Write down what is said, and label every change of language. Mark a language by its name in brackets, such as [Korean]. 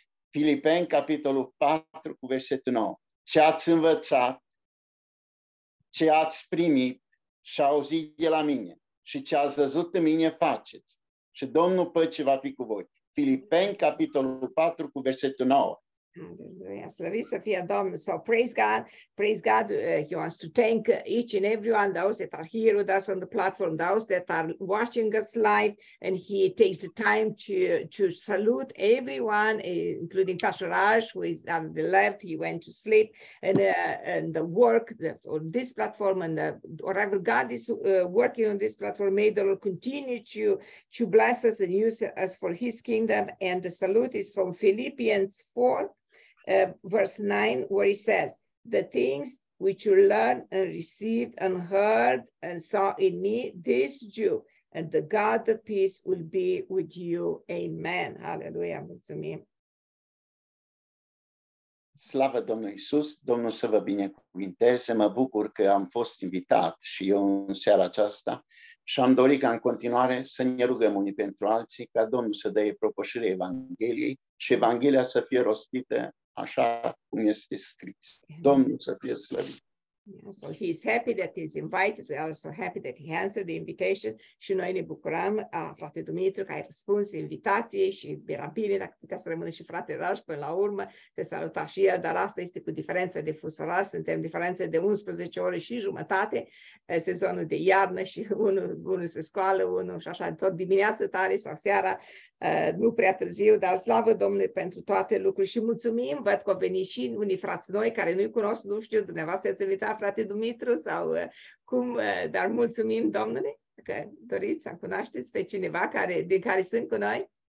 [Romanian] Filipeni, capitolul 4, cu versetul 9. Ce ați învățat, ce ați primit și auzit de la mine și ce ați văzut în mine, faceți. Și Domnul păcii va fi cu voi. Filipeni, capitolul 4, cu versetul 9. Slăviți să fie Domnul. [English] So praise God, praise God. He wants to thank each and everyone, those that are here with us on the platform, those that are watching us live, and he takes the time to salute everyone, including Pastor Raj, who is on the left. He went to sleep, and the work on this platform, and whatever God is working on this platform, may the Lord continue to bless us and use us for his kingdom. And the salute is from Philippians 4. Verse 9, where he says, the things which you learned and received and heard and saw in me, this do, and the God of peace will be with you. Amen. Hallelujah. [Romanian] Mulțumim. Slavă Domnului Iisus, Domnul să vă binecuvinteze. Mă bucur că am fost invitat și eu în seara aceasta și am dorit ca în continuare să ne rugăm unii pentru alții, ca Domnul să dea propășire Evangheliei și Evanghelia să fie rostită așa cum este scris. Domnul să fie slăvit. [English] So he is happy that he is invited. We are so happy that he answered the invitation. [Romanian] Și noi ne bucurăm, frate Dumitru, că ai răspuns invitației și era bine dacă putea să rămână și frate Raj până la urmă, te saluta și el, dar asta este cu diferența de fusorar. Suntem diferență de 11 ore și jumătate, sezonul de iarnă și unul se scoală, unul și așa, tot dimineața tare sau seara, nu prea târziu, dar slavă Domnului pentru toate lucrurile și mulțumim, văd că au venit și unii frați noi care nu-i cunosc, nu știu, dumneavoastră ați invitat frate Dumitru sau cum, dar mulțumim Domnule că doriți să cunoașteți pe cineva care, din care sunt cu noi.